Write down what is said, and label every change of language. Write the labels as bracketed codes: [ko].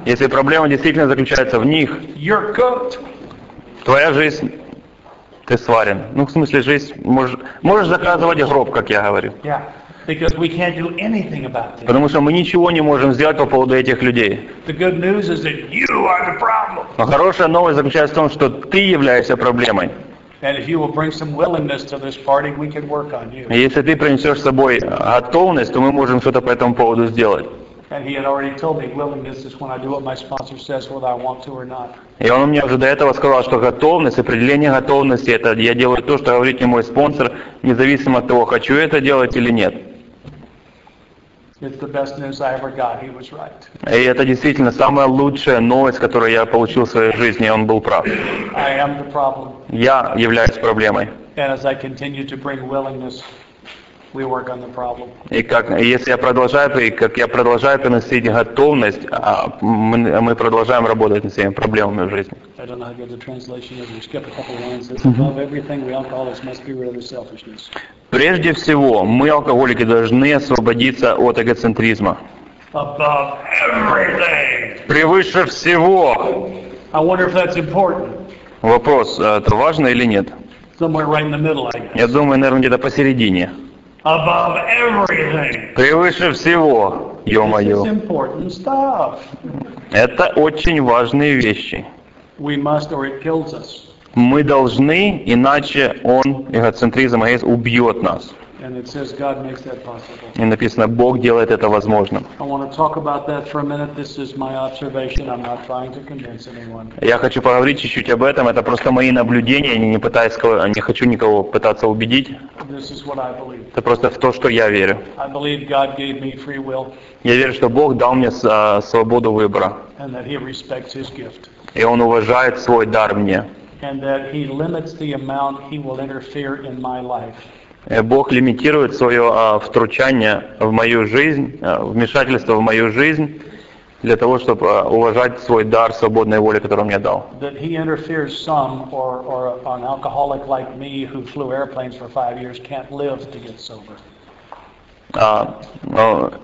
[ru] если проблема действительно заключается в них, [en] you're cooked. [ru] Твоя жизнь, ты сварен. Ну, в смысле, жизнь, можешь заказывать гроб, как я говорю. [en] Yeah. Because we can't do anything about them. [ru] Потому что мы ничего не можем сделать по поводу этих людей. [en] The good news is that you are the problem. [ru] Но хорошая новость заключается в том, что ты являешься проблемой. [en] And if you will bring some willingness to this party, we can work on you. [ru] Если ты принесешь с собой готовность, то мы можем что-то по этому поводу сделать. [en] And he had already told me willingness is when I do what my sponsor says, whether I want to or not. [ru] И он мне уже до этого сказал, что готовность, определение готовности, это я делаю то, что говорит мне мой спонсор, независимо от того, хочу это делать или нет. [en] It's the best news I ever got. He was right. [ru] И это действительно самая лучшая новость, которую я получил в своей жизни, и он был прав. [en] I am the problem. [ru] Я являюсь проблемой. [en] And as I continue to bring willingness, we work on the problem. [ru] И как, если я продолжаю, и как я продолжаю приносить готовность, мы продолжаем работать над всеми проблемами в жизни. [en] I don't know how good the translation is. We skip a couple lines. Mm-hmm. Above everything, we alcoholics must be rid of selfishness. [ru] Прежде всего, мы, алкоголики, должны освободиться от эгоцентризма. [en] Above everything. [ru] Превыше всего. [en] I wonder if that's important. [ru] Вопрос, это важно или нет? [en] Somewhere right in the middle, I guess. [ru] Я думаю, наверное, где-то посередине. [en] Above everything. [ru] Превыше всего, ё-моё. [en] This is important stuff. [ru] Это очень важные вещи. [en] We must, or it kills us. [ru] Мы должны, иначе он, эгоцентризм, эгоизм, убьет нас. [en] And it says God makes that possible. [ru] И написано, Бог делает это возможным. [en] I want to talk about that for a minute. This is my observation. I'm not trying to convince anyone. [ru] Я хочу поговорить чуть-чуть об этом. Это просто мои наблюдения. Я не хочу никого пытаться убедить. [en] This is what I believe. [ru] Это просто в то, что я верю. [en] I believe God gave me free will. [ru] Я верю, что Бог дал мне свободу выбора. [en] And that he respects his gift. [ru] И он уважает свой дар мне. [en] And that he limits the amount he will interfere in my life. [ru] Бог лимитирует свое втручание в мою жизнь, вмешательство в мою жизнь, для того, чтобы уважать свой дар свободной воли, который он мне дал. [en] That he interferes some, or an alcoholic like me, who flew airplanes for 5 years, can't live to get sober.